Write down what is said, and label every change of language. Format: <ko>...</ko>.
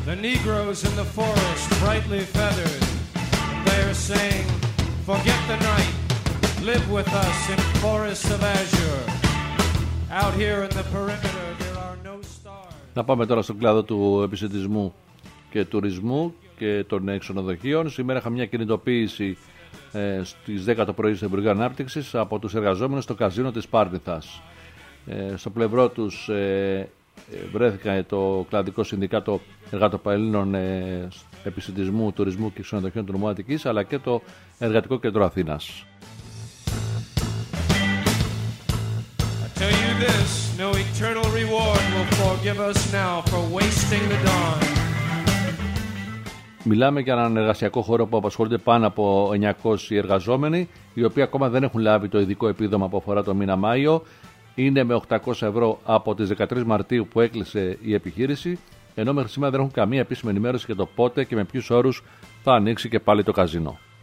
<en>Negroes in the forest, brightly feathered. They are saying, forget the night. Live with us in forests of azure. Out here in the perimeter, there are no stars.</en> <el>Να πάμε τώρα στον κλάδο του επισκεπτισμού και τουρισμού και των ξενοδοχείων. Σήμερα είχα μια κινητοποίηση στις 10 το πρωί στο Υπουργείο Ανάπτυξης από τους εργαζόμενους στο καζίνο της Πάρνηθας. Στο πλευρό τους βρέθηκα το κλαδικό συνδικάτο εργατοπαλλήλων επισκεπτισμού, τουρισμού και ξενοδοχείων του Νομού Αττικής, αλλά και το Εργατικό Κέντρο Αθήνας.</el> <en>I tell you this, no eternal reward will forgive us now for wasting the dawn.</en> <el>Μιλάμε για έναν εργασιακό χώρο που απασχολούνται πάνω από 900 εργαζόμενοι, οι οποίοι ακόμα δεν έχουν λάβει το ειδικό επίδομα που αφορά το μήνα Μάιο. Είναι με 800 ευρώ από τις 13 Μαρτίου που έκλεισε η επιχείρηση, ενώ μέχρι σήμερα δεν έχουν καμία επίσημη ενημέρωση για το πότε και με ποιους όρους θα ανοίξει και πάλι το καζίνο.</el>